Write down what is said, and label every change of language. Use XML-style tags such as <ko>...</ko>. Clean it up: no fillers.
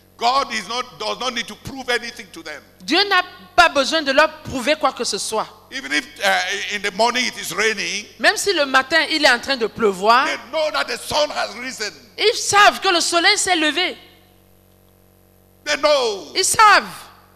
<en>God is not, does not need to prove anything to them.</en> <fr>Dieu n'a pas besoin de leur prouver quoi que ce soit.</fr> <en>Even if in the morning it is raining.</en> <fr>Même si le matin il est en train de pleuvoir.</fr> <en>They know that the sun has risen.</en> <fr>Ils savent que le soleil s'est levé.</fr> <en>They know.</en> <fr>Ils savent.</fr>